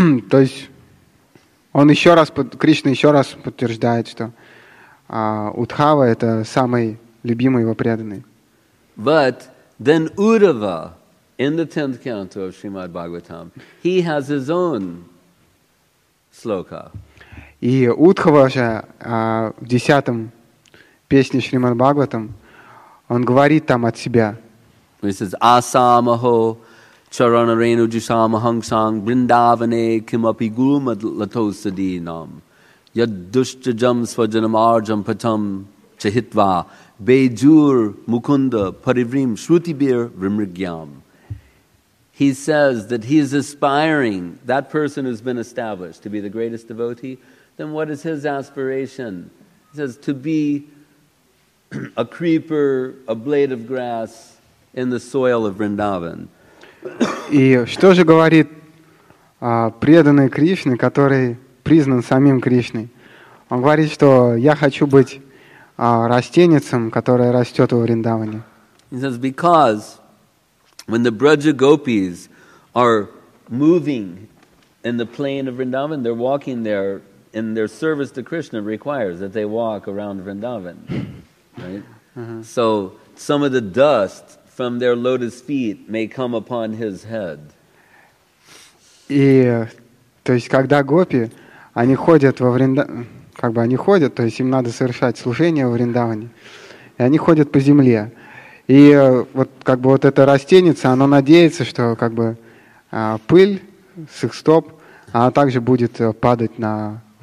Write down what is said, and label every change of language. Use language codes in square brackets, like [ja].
[ru] То есть, он еще раз, Кришна еще раз подтверждает, что Удхава это самый любимый его преданный. [en] But then Uddhava, in the 10th canto of Srimad Bhagavatam, he has his own sloka. [ru] И Удхава же в 10-м песне Шримад Бхагаватам он говорит там от себя. [en] He says, [sa] Асамахо чаранарену джишамахангсанг бриндаване кимапи гурумад латосади нам яддушчаджам сваджанам арджам патам чахитва бейджур мукунда паривим шрутибир вримригьям. [en] He says that he is aspiring, that person who's been established to be the greatest devotee, then what is his aspiration? He says, to be a creeper, a blade of grass in the soil of Vrindavan. [ru] И что же говорит преданный Кришне, который признан самим Кришной? Он говорит, что я хочу быть растенецем, которое растет во Вриндаване. [en] He says, because when the Braja Gopis are moving in the plain of Vrindavan, they're walking there, and their service to Krishna requires that they walk around Vrindavan, right? Uh-huh. So some of the dust from their lotus feet may come upon his head. [ru] И, то есть, когда гопи, они ходят во Вриндаване, как бы они ходят, то есть им надо совершать служение во Вриндаване, и они ходят по земле. И вот как бы вот эта растенница, она надеется, что как бы пыль с их стоп, она также будет падать на...